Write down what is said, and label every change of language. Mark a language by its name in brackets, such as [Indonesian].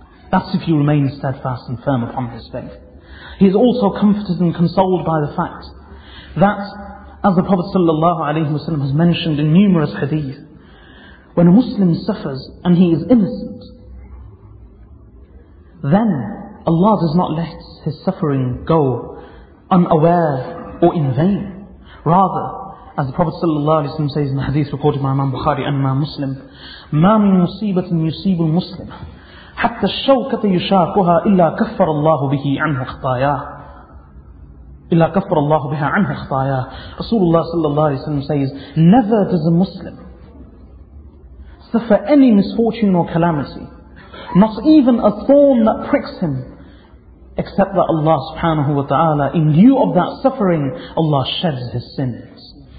[English] That's if you remain steadfast and firm upon his faith. He is also comforted and consoled by the fact that, as the Prophet sallallahu alaihi wasallam has mentioned in numerous hadith, when a Muslim suffers and he is innocent, then Allah does not let his suffering go unaware or in vain. Rather, as the Prophet sallallahu alaihi wasallam says in the hadith recorded by Imam Bukhari and Imam Muslim, [Arabic] مَا مِن مُصِيبَةٍ يُصِيبُ الْمُسْلِمَ حَتَّى الشَّوْكَةَ يُشَاقُهَا إِلَّا كَفَّرَ اللَّهُ بِهِ عَنْهُ خَطَايَاهُ إِلَّا كَفَّرَ اللَّهُ بِهَا عَنْهُ خَطَايَاهُ. [English] Rasulullah sallallahu alaihi wasallam says, never does a Muslim suffer any misfortune or calamity, not even a thorn that pricks him, except that Allah subhanahu wa ta'ala, in lieu of that suffering, Allah sheds his sins.